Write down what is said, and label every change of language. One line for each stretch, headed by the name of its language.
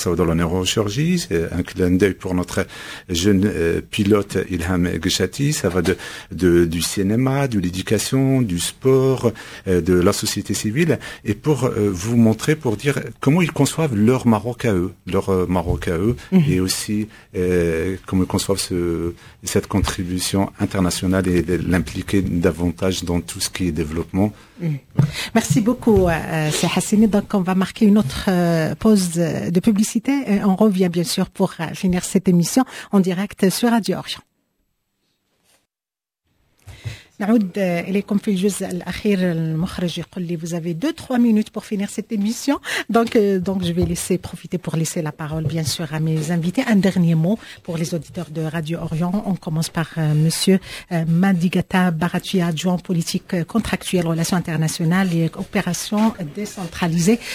French: Ça va dans la neurochirurgie. C'est un clin d'œil pour notre jeune pilote Ilham Gchati, ça va du cinéma, de l'éducation, du sport, de la société civile, et pour vous montrer, pour dire comment ils conçoivent leur Maroc à eux, et aussi comment ils conçoivent cette contribution internationale et l'impliquer davantage dans tout ce qui est développement. Merci beaucoup, c'est Hassini. Donc, on va marquer une autre pause de publicité. Et on revient, bien sûr, pour finir cette émission en direct sur Radio Orient.
Arabic: نعود إليكم في الجزء الأخير. المخرج يقول لي
French: vous avez 2-3 minutes pour finir cette émission, donc je vais laisser profiter pour laisser la parole bien sûr à mes invités. Un dernier mot pour les auditeurs de Radio Orient. On commence par monsieur Mandigata Baratui, adjoint politique contractuelle, relations internationales et opérations décentralisées.